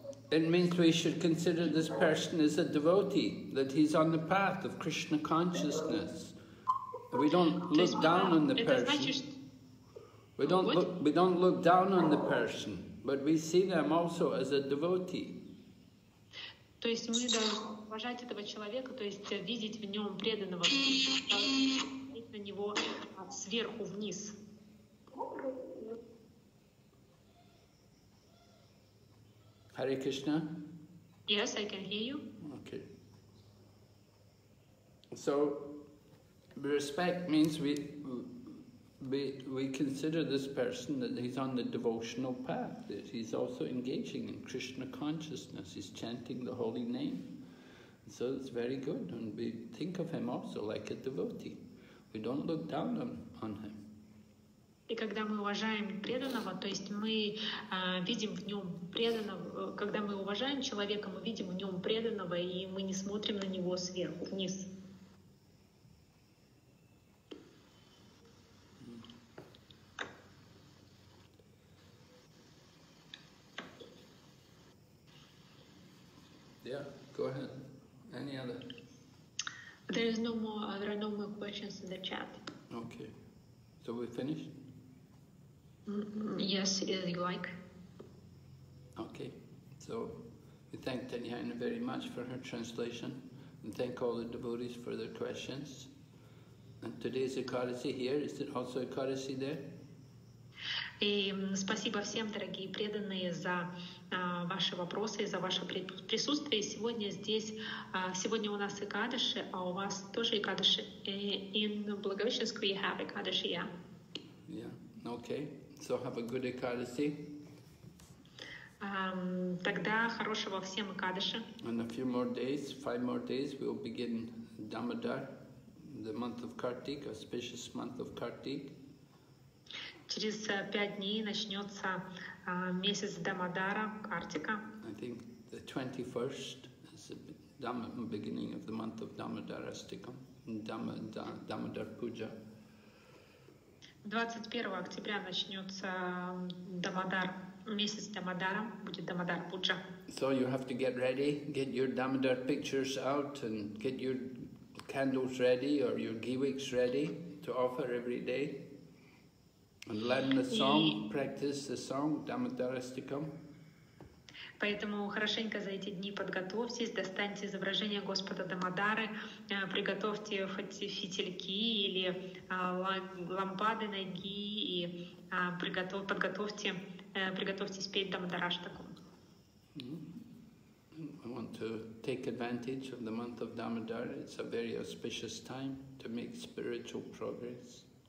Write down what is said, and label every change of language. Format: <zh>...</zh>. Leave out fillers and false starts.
<en>It means we should consider this person as a devotee, that he's on the path of Krishna consciousness. We don't look down on the person. We don't look down on the person, but we see them also as a devotee.</en> <ru>То есть мы должны уважать этого человека, то есть видеть в нем преданного, смотреть на него сверху вниз.</ru> <en>Hare Krishna? Yes, I can hear you. Okay. So, respect means we we consider this person that he's on the devotional path, that he's also engaging in Krishna consciousness, he's chanting the holy name. So it's very good, and we think of him also like a devotee. We don't look down on him.</en> <ru>И когда мы уважаем преданного, то есть мы видим в нем преданного, когда мы уважаем человека, мы видим в нем преданного, и мы не смотрим на него сверху вниз.</ru> <en>Yeah, go ahead. Any other? There is no more. There are no more questions in the chat. Okay, so we finished. Yes, if you like. Okay, so we thank Tanyaina very much for her translation, and thank all the devotees for their questions. And today's Ekadasi here. Is it also Ekadasi there?</en> <ru>И спасибо всем, дорогие преданные, за ваши вопросы, за ваше присутствие. Сегодня здесь, сегодня у нас Экадаши, а у вас тоже Экадаши.</ru> <en>In Благовещенск we have Экадаши, yeah. Yeah, okay. So have a good Экадаси.</en> <ru>Тогда хорошего всем Экадаши.</ru> <en>In a few more days, five more days, we will begin Damodar, the month of Kartik, auspicious month of Kartik.</en> <ru>Через пять дней начнется месяц Дамодара, Картика.</ru> <en>I think the 21st is the beginning of the month of Дамодарастикам, Дамодар Пуджа.</en> <ru>21 октября начнется Дамодар, месяц Дамодара, будет Дамодар Пуджа.</ru> <en>So you have to get ready, get your Дамодар pictures out and get your candles ready or your гивикс ready to offer every day. And learn the song, practice the song, Дамодарастикам.</en> <ru>Поэтому хорошенько за эти дни подготовьтесь, достаньте изображение Господа Дамодары, приготовьте фитильки или лампады ноги и приготовьтесь петь Дамодараштику.</ru> <en>I want to take advantage of the month of Дамодар. It's a very auspicious time to make spiritual progress.</en>